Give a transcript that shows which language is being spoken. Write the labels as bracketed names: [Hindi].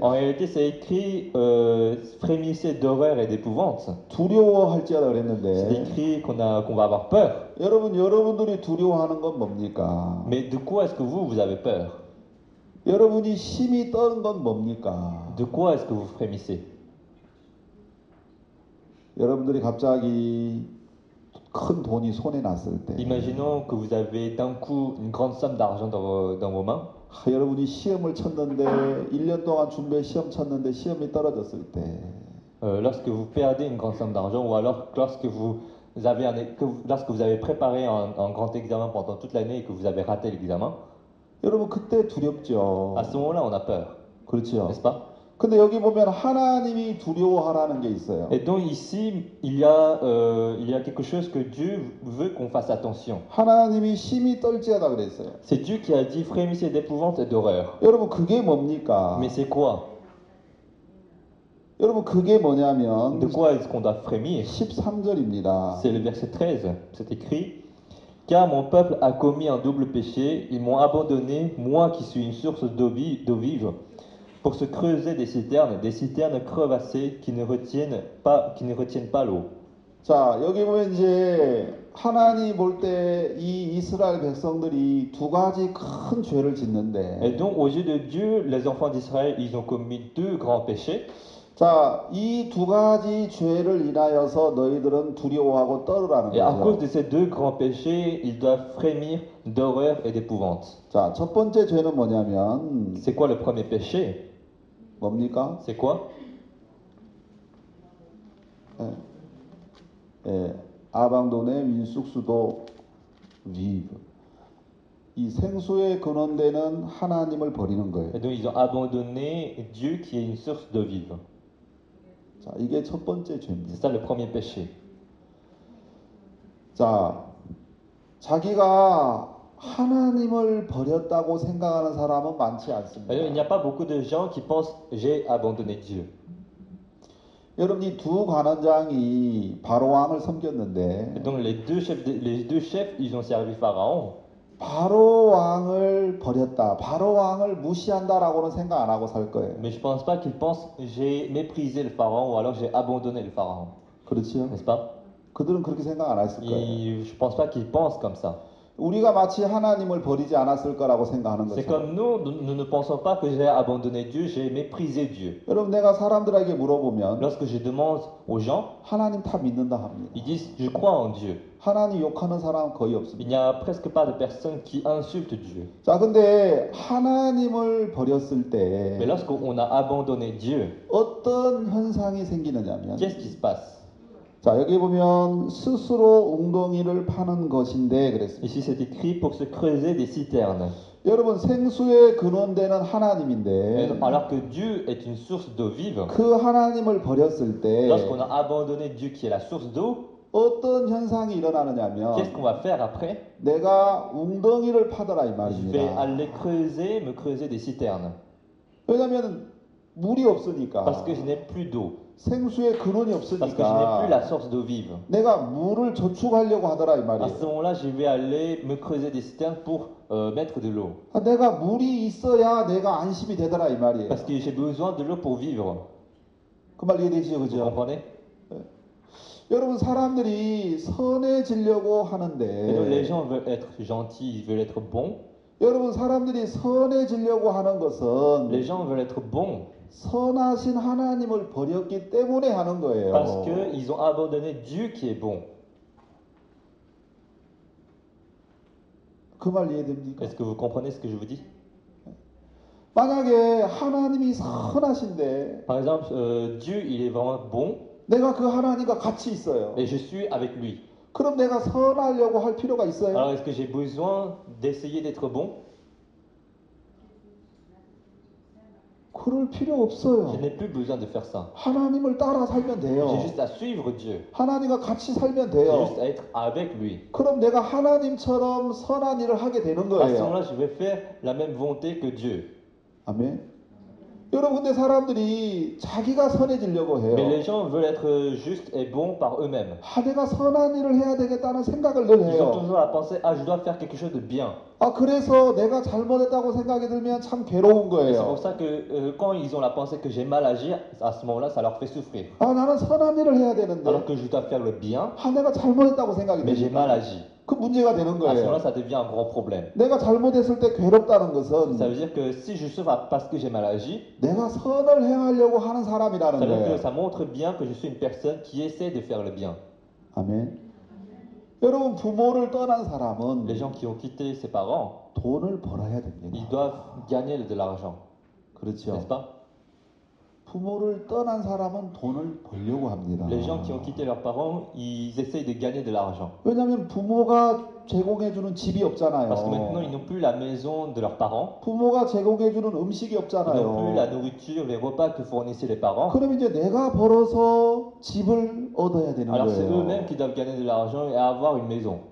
[French] En réalité, c'est écrit frémissez d'horreur et d'épouvante. [Korean] 두려워할지어다 그랬는데. [French] C'est écrit qu'on va avoir peur. [Korean] 여러분들이 두려워하는 건 뭡니까? [French] Mais de quoi est-ce que vous avez peur? [Korean] 여러분이 심히 떠는 건 뭡니까? [French] De quoi est-ce que vous frémissez? [Korean] 여러분들이 갑자기 큰 돈이 손에 났을 때. [French] Imaginons que vous avez d'un coup une grande somme d'argent dans vos mains. [Korean] 아, 여러분이 시험을 쳤는데 1년 동안 준비해 시험 쳤는데 시험이 떨어졌을 때. [French] Lorsque vous perdez une grande somme d'argent ou alors lorsque vous avez préparé un grand examen pendant toute l'année et que vous avez raté l'examen. [Korean] 여러분 그때 두렵죠. [French] À ce moment-là, on a peur. [Korean] 그렇죠. [French] N'est-ce pas? [Korean] 근데 여기 보면 하나님이 두려워하라는 게 있어요. [French] Et donc ici il y a quelque chose que Dieu veut qu'on fasse attention. [Korean] 하나님이 심히 떨지어다 그랬어요. [French] C'est Dieu qui a dit frémissez d'épouvante et d'horreur. [Korean] 여러분 그게 뭡니까? [French] Mais c'est quoi? [Korean] 여러분 그게 뭐냐면 [French] De quoi est-ce qu'on doit frémir? [Korean] 13절입니다. [French] C'est le verset 13. C'est écrit Car mon peuple a commis un double péché, ils m'ont abandonné moi qui suis une source d'eau vive. Pour se creuser des citernes crevassées qui ne retiennent pas l'eau. [Korean] 자, 여기 보면 이제 하나님 볼 때 이 이스라엘 백성들이 두 가지 큰 죄를 짓는데. [French] Et donc aux yeux de Dieu, les enfants d'Israël, ils ont commis deux grands péchés. [Korean] 자, 이 두 가지 죄를 인하여서 너희들은 두려워하고 떨으라는 거죠. [French] Et à cause de ces deux grands péchés, ils doivent frémir d'horreur et d'épouvante. [Korean] 자, 첫 번째 죄는 뭐냐면. [French] C'est quoi le premier péché? [Korean] 뭡니까? [French] C'est quoi? 예, 아방도네 민숙수도 vive. [Korean] 이 생수의 근원되는 하나님을 버리는 거예요. [French] Et donc ils ont abandonné Dieu qui est une source d'eau vive. [Korean] 자, 이게 첫 번째 죄입니다. [French] C'est ça le premier péché. [Korean] 자, 자기가 하나님을 버렸다고 생각하는 사람은 많지 않습니다. [French] Il n'y a pas beaucoup de gens qui pensent j'ai abandonné Dieu. [Korean] 여러분, 이 두 관원장이 바로 왕을 섬겼는데. [French] Donc les deux chefs, ils ont servi Pharaon. [Korean] 바로 왕을 버렸다. 바로 왕을 무시한다라고는 생각 안 하고 살 거예요. [French] Mais je pense pas qu'ils pensent j'ai méprisé le pharaon ou alors j'ai abandonné le pharaon. [Korean] 그렇죠. [French] N'est-ce pas? [Korean] 그들은 그렇게 생각 안 했을 거예요. [French] Je pense pas qu'ils pensent comme ça. [Korean] 우리가 마치 하나님을 버리지 않았을 거라고 생각하는 거죠. [French] C'est comme nous ne pensons pas que j'ai abandonné Dieu, j'ai méprisé Dieu. [Korean] 여러분, 내가 사람들에게 물어보면 [French] Lorsque je demande aux gens, [Korean] 하나님 다 믿는다 합니다. [French] Ils disent je crois en Dieu. [Korean] 하나님 욕하는 사람 거의 없습니다. [French] Il n'y a presque pas de personnes qui insultent Dieu. [Korean] 자, 근데 하나님을 버렸을 때 [French] Mais lorsque on a abandonné Dieu, [Korean] 어떤 현상이 생기느냐면 [French] Qu'est-ce qui se passe? [Korean] 자, 여기 보면 스스로 웅덩이를 파는 것인데 그랬습니다. [French] Ici c'est écrit pour se creuser des citernes. [Korean] 여러분, 생수의 근원되는 하나님인데 [French] Alors que Dieu est une source d'eau vive. [Korean] 그 하나님을 버렸을 때 [French] Lorsque on a abandonné Dieu qui est la source d'eau. [Korean] 어떤 현상이 일어나느냐면 [French] Qu'est-ce qu'on va faire après? [Korean] 내가 웅덩이를 파더라 이 말입니다. [French] Je vais aller creuser, me creuser des citernes. [Korean] 왜냐면 물이 없으니까. [French] Parce que je n'ai plus d'eau. [Korean] 생수의 근원이 없으니까. [French] Parce que je n'ai plus la source d'eau vive. [Korean] 내가 물을 저축하려고 하더라 이 말이에요. [French] À ce moment-là, je vais aller me creuser des citernes pour mettre de l'eau. [Korean] 아, 내가 물이 있어야 내가 안심이 되더라 이 말이에요. [French] Parce que j'ai besoin de l'eau pour vivre. [Korean] 그 말 이해되시죠, 그죠? [French] Vous comprenez? [Korean] 여러분, 사람들이 선해지려고 하는데. [French] Les gens veulent être gentils, ils veulent être bons. [Korean] 여러분, 사람들이 선해지려고 하는 것은. [French] Les gens veulent être bons. [Korean] 선하신 하나님을 버렸기 때문에 하는 거예요. [French] Parce que ils ont abandonné Dieu qui est bon. [Korean] 그 말 이해됩니까? [French] Est-ce que vous comprenez ce que je vous dis? [Korean] 만약에 하나님이 선하신데. [French] Par exemple, Dieu il est vraiment bon. [Korean] 내가 그 하나님과 같이 있어요. [French] Et je suis avec lui. [Korean] 그럼 내가 선하려고 할 필요가 있어요? [French] Alors est-ce que j'ai besoin d'essayer d'être bon? [Korean] 그럴 필요 없어요. [French] Je n'ai plus besoin de faire ça. [Korean] 하나님을 따라 살면 돼요. [French] J'ai juste à suivre Dieu. [Korean] 하나님과 같이 살면 돼요. [French] J'ai juste à être avec lui. [Korean] 그럼 내가 하나님처럼 선한 일을 하게 되는 거예요. [French] À ce moment-là, je vais faire la même volonté que Dieu. [Korean] 아멘. 여러분, 근데 사람들이 자기가 선해지려고 해요. [French] Mais les gens veulent être juste et bon par eux-mêmes. [Korean] 아, 내가 선한 일을 해야 되겠다는 생각을 늘 해요. [French] Ils ont toujours à penser, ah, je dois faire quelque chose de bien. [Korean] 아, 그래서 내가 잘못했다고 생각이 들면 참 괴로운 거예요. [French] C'est pour ça que quand ils ont la pensée que j'ai mal agi, à ce moment-là, ça leur fait souffrir. [Korean] 아, 나는 선한 일을 해야 되는데. [French] Alors que je dois faire le bien. [Korean] 아, 내가 잘못했다고 생각이 들면. [French] Mais j'ai mal agi. [Korean] 그 문제가 되는 거예요. [French] À ce moment-là, ça devient un grand problème. [Korean] 내가 잘못했을 때 괴롭다는 것은 [French] Ça veut dire que si je souffre parce que j'ai mal agi, [Korean] 내가 선을 행하려고 하는 사람이라는 거예요. [French] Ça veut dire que ça montre bien que je suis une personne qui essaie de faire le bien. [Korean] 아멘. 여러분, 부모를 떠난 사람은 [French] Les gens qui ont quitté ses parents, [Korean] 돈을 벌어야 됩니다. [French] Ils doivent gagner de l'argent. [Korean] 그렇죠. [French] N'est-ce pas? [Korean] 부모를 떠난 사람은 돈을 벌려고 합니다. [French] Les gens qui ont quitté leurs parents, ils essayent de gagner de l'argent. [Korean] 왜냐면 부모가 제공해 주는 집이 없잖아요. [French] Parce que maintenant ils n'ont plus la maison de leurs parents. [Korean] 부모가 제공해 주는 음식이 없잖아요. [French] Ils n'ont plus la nourriture, les repas que fournissaient les parents. [Korean] 그럼 이제 내가 벌어서 집을 얻어야 되는 [French] Alors Alors c'est eux-mêmes qui doivent gagner de l'argent et avoir une maison.